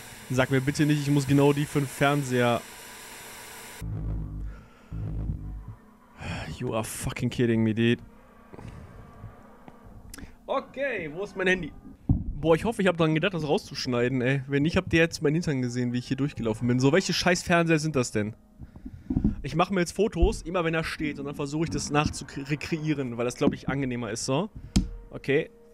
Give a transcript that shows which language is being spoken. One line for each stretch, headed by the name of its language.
German: Sag mir bitte nicht, ich muss genau die fünf Fernseher.
English: You are fucking kidding me, dude.
German: Okay, wo ist mein Handy? Boah, ich hoffe, ich habe daran gedacht, das rauszuschneiden, ey. Wenn nicht, habt ihr jetzt meinen Hintern gesehen, wie ich hier durchgelaufen bin. So, welche scheiß Fernseher sind das denn? Ich mache mir jetzt Fotos, immer wenn er steht, und dann versuche ich das nachzurekreieren, weil das, glaube ich, angenehmer ist, so. Okay.